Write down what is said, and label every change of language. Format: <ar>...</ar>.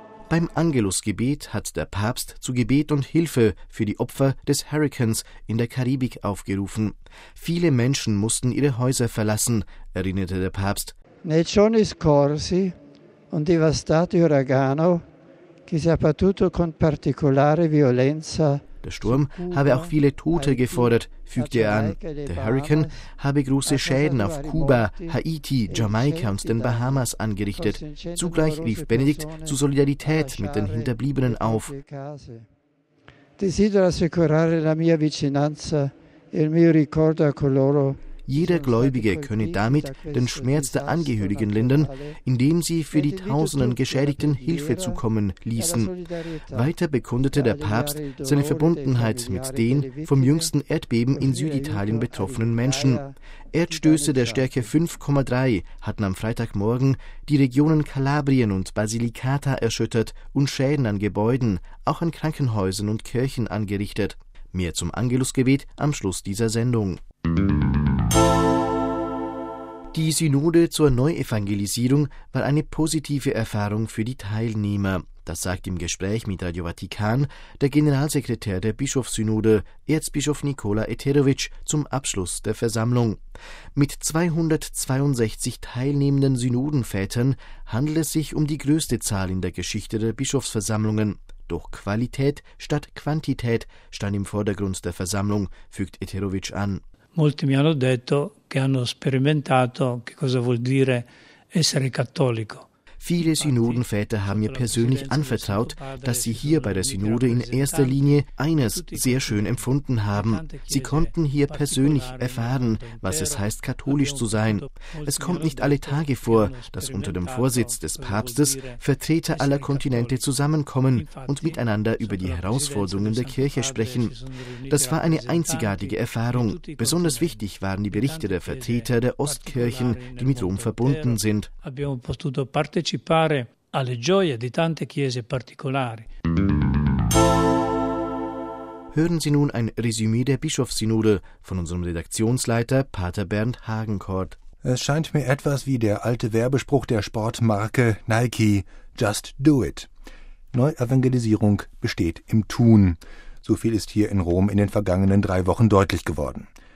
<de>Beim Angelusgebet hat der Papst zu Gebet und Hilfe für die Opfer des Hurrikans in der Karibik aufgerufen. Viele Menschen mussten ihre Häuser verlassen, erinnerte der Papst.</de> <it>Nei giorni scorsi, un devastato uragano che si è abbattuto con particolare violenza.</it> <de>Der Sturm habe auch viele Tote gefordert, fügte er an. Der Hurrikan habe große Schäden auf Kuba, Haiti, Jamaika und den Bahamas angerichtet. Zugleich rief Benedikt zu Solidarität mit den Hinterbliebenen auf.</de> <it>Desidero assicurare la mia vicinanza e il mio ricordo a coloro.</it> <de>Jeder Gläubige könne damit den Schmerz der Angehörigen lindern, indem sie für die tausenden Geschädigten Hilfe zukommen ließen. Weiter bekundete der Papst seine Verbundenheit mit den vom jüngsten Erdbeben in Süditalien betroffenen Menschen. Erdstöße der Stärke 5,3 hatten am Freitagmorgen die Regionen Kalabrien und Basilicata erschüttert und Schäden an Gebäuden, auch an Krankenhäusern und Kirchen angerichtet. Mehr zum Angelusgebet am Schluss dieser Sendung. Die Synode zur Neuevangelisierung war eine positive Erfahrung für die Teilnehmer. Das sagt im Gespräch mit Radio Vatikan der Generalsekretär der Bischofssynode, Erzbischof Nikola Eterovic, zum Abschluss der Versammlung. Mit 262 teilnehmenden Synodenvätern handelt es sich um die größte Zahl in der Geschichte der Bischofsversammlungen. Doch Qualität statt Quantität stand im Vordergrund der Versammlung, fügt Eterovic an.</de> <it>Molti mi hanno detto che hanno sperimentato che cosa vuol dire essere cattolico.</it> <de>Viele Synodenväter haben mir persönlich anvertraut, dass sie hier bei der Synode in erster Linie eines sehr schön empfunden haben. Sie konnten hier persönlich erfahren, was es heißt, katholisch zu sein. Es kommt nicht alle Tage vor, dass unter dem Vorsitz des Papstes Vertreter aller Kontinente zusammenkommen und miteinander über die Herausforderungen der Kirche sprechen. Das war eine einzigartige Erfahrung. Besonders wichtig waren die Berichte der Vertreter der Ostkirchen, die mit Rom verbunden sind.</de> <it>Partecipare alle gioie di tante chiese particolari.</it> <de>Hören Sie nun ein Resümee der Bischofssynode von unserem Redaktionsleiter Pater Bernd Hagenkort. Es scheint mir etwas wie der alte Werbespruch der Sportmarke Nike:</de> <en>Just do it.</en> <de>Neuevangelisierung besteht im Tun. So viel ist hier in Rom in den vergangenen 3 Wochen deutlich geworden.</de>